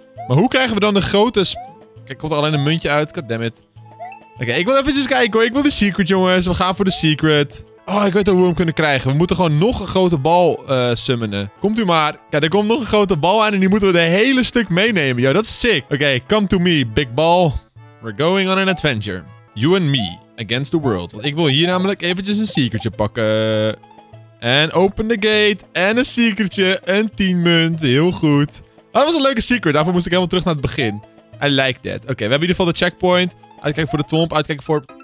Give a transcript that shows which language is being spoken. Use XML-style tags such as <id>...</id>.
<nl>Maar hoe krijgen we dan de grote... Kijk, komt er alleen een muntje uit. Goddammit. Oké, ik wil eventjes kijken hoor. Ik wil de secret, jongens. We gaan voor de secret. Oh, ik weet al hoe we hem kunnen krijgen. We moeten gewoon nog een grote bal summonen. Komt u maar. Kijk, er komt nog een grote bal aan en die moeten we de hele stuk meenemen. Yo, dat is sick. Oké,</nl> <en>come to me, big ball. We're going on an adventure. You and me against the world.</en> <nl>Want ik wil hier namelijk eventjes een secretje pakken. En</nl> <en>open the gate.</en> <nl>En een secretje. Een 10 munt. Heel goed. Oh, dat was een leuke secret. Daarvoor moest ik helemaal terug naar het begin.</nl> <en>I like that.</en> <nl>Oké, we hebben in ieder geval de checkpoint. Uitkijken voor de twomp, uitkijken voor...</nl>